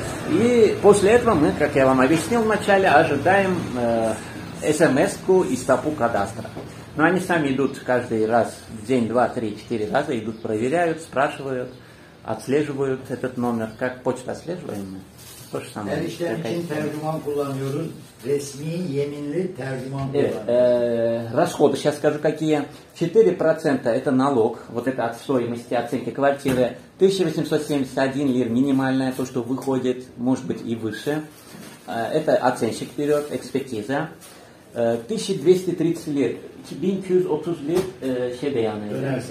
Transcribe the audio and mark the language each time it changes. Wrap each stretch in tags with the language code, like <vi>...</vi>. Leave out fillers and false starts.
<ru>И после этого мы, как я вам объяснил вначале, ожидаем смс-ку из ТАПУ кадастра. Но они сами идут каждый раз, день, два, три, четыре раза, идут, проверяют, спрашивают, отслеживают этот номер, как почта отслеживаемая.</ru> <tr>Her işlem için tercüman kullanıyoruz. Resmi, yeminli tercüman kullanıyoruz.</tr> <ru>Расходы, сейчас скажу какие. 4% это налог, вот это от стоимости оценки квартиры. 1871 лир минимальная, то, что выходит, может быть и выше. Это оценщик берет, экспертиза. 1230 лир. 1230 лир шебеяны.</ru>